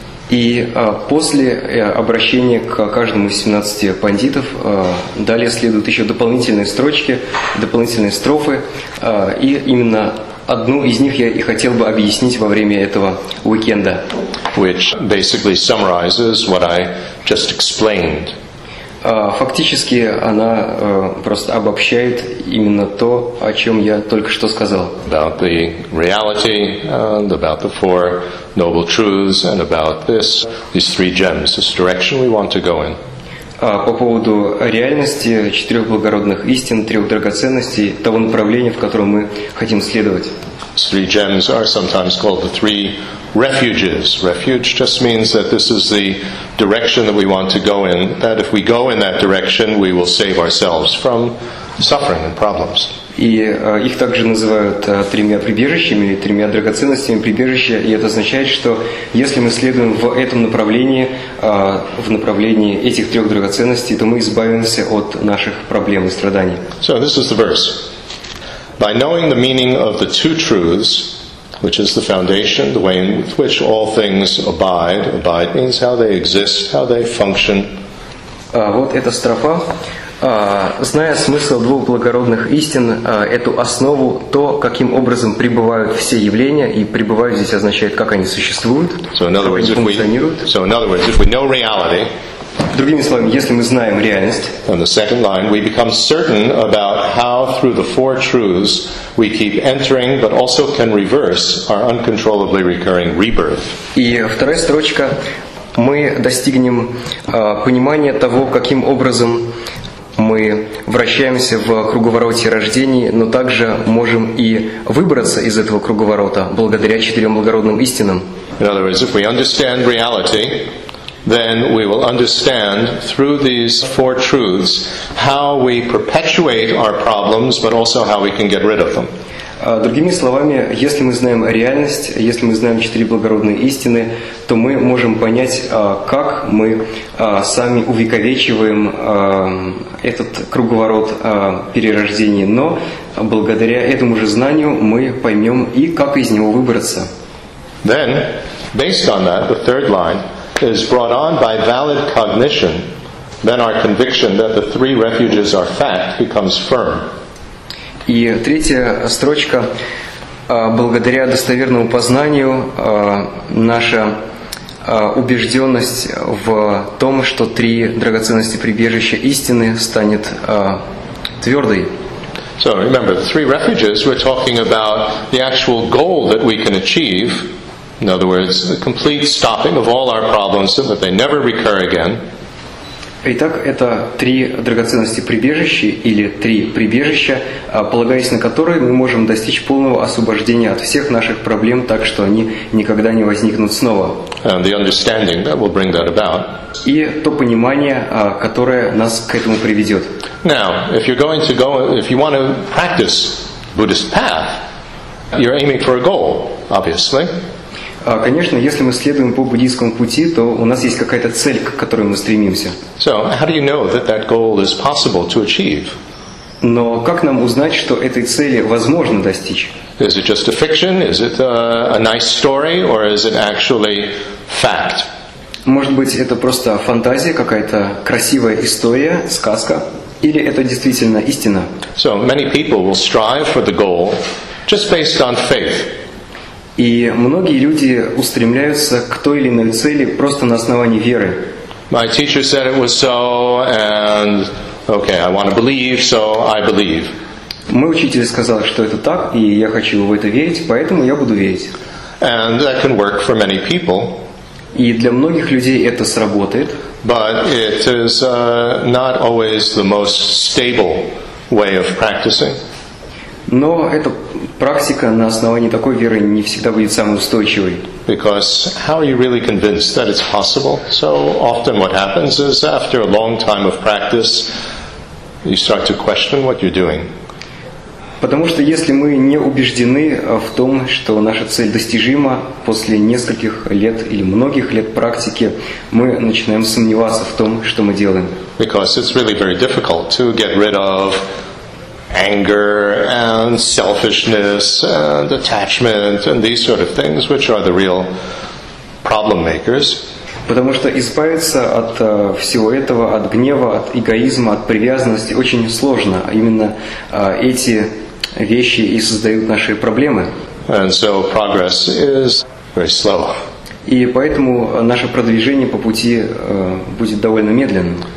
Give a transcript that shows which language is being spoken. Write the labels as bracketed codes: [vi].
[ru] И после обращения к каждому из 17 пандитов далее следуют еще дополнительные строчки, дополнительные строфы, и именно одну из них я и хотел бы объяснить во время этого уикенда. [en] Which basically summarizes what I just explained. [ru] Фактически она просто обобщает именно то, о чем я только что сказал. [en] About the reality and about the four noble truths and about this, these three gems, this direction we want to go in. [ru] По поводу реальности, четырех благородных истин, трех драгоценностей, того направления, в котором мы хотим следовать. [en] Three gems are sometimes called the three refuges. Refuge just means that this is the direction that we want to go in, that if we go in that direction, we will save ourselves from suffering and problems. [ru] И их также называют тремя прибежищами или тремя драгоценностями прибежища, и это означает, что если мы следуем в этом направлении, в направлении этих трех драгоценностей, то мы избавимся от наших проблем и страданий. [en] So this is the verse. By knowing the meaning of the two truths, which is the foundation, the way with which all things abide. Abide means how they exist, how they function. [ru] Вот эта строфа. Зная смысл двух благородных истин, эту основу, то, каким образом пребывают все явления, и пребывают здесь означает, как они существуют, [en] so in other words, [ru] как они функционируют. [en] So in other words, if we know reality, [ru] другими словами, если мы знаем реальность, [en] on the second line, we become certain about how through the four truths we keep entering, but also can reverse our uncontrollably recurring rebirth. [ru] И вторая строчка, мы достигнем понимания того, каким образом мы вращаемся в круговороте рождений, но также можем и выбраться из этого круговорота благодаря четырем благородным истинам. [en] In other words, if we understand reality, then we will understand through these four truths how we perpetuate our problems, but also how we can get rid of them. [ru] Другими словами, если мы знаем реальность, если мы знаем четыре благородные истины, то мы можем понять, как мы сами увековечиваем этот круговорот перерождений. Но благодаря этому же знанию мы поймем и как из него выбраться. [en] Then, based on that, the third line is brought on by valid cognition. Then our conviction that the three refuges are fact becomes firm. [ru] И третья строчка, благодаря достоверному познанию, наша убежденность в том, что три драгоценности прибежища истины станет твердой. [en] So remember, the three refuges, we're talking about the actual goal that we can achieve. In other words, the complete stopping of all our problems so that they never recur again. [ru] Итак, это три драгоценности прибежища или три прибежища, полагаясь на которые мы можем достичь полного освобождения от всех наших проблем, так что они никогда не возникнут снова. [en] And the understanding that will bring that about. [ru] И то понимание, которое нас к этому приведет. [en] Now, if you're going to go, if you want to practice Buddhist path, you're aiming for a goal, obviously. [ru] Конечно, если мы следуем по буддийскому пути, то у нас есть какая-то цель, к которой мы стремимся. [en] So, how do you know that that goal is possible to achieve? [ru] Но как нам узнать, что этой цели возможно достичь? [en] Is it just a fiction? Is it a nice story, or is it actually fact? [ru] Может быть, это просто фантазия, какая-то красивая история, сказка, или это действительно истина? [en] So many people will strive for the goal just based on faith. [ru] И многие люди устремляются к той или иной цели просто на основании веры. [en] My teacher said it was so, and okay, I want to believe, so I believe. [ru] Мой учитель сказал, что это так, и я хочу в это верить, поэтому я буду верить. [en] And that can work for many people. [ru] И для многих людей это сработает. [en] But it is not always the most stable way of practicing. [ru] Но эта практика на основании такой веры не всегда будет самой устойчивой. [en] Because how are you really convinced that it's possible? So often what happens is after a long time of practice, you start to question what you're doing. [ru] Потому что если мы не убеждены в том, что наша цель достижима, после нескольких лет или многих лет практики, мы начинаем сомневаться в том, что мы делаем. [en] Because it's really very difficult to get rid of anger and selfishness and attachment and these sort of things, which are the real problem makers. [ru] Потому что избавиться от всего этого, от гнева, от эгоизма, от привязанности очень сложно. Именно эти вещи и создают наши проблемы. [en] And so progress is very slow. [ru] И поэтому наше продвижение по пути будет довольно медленным.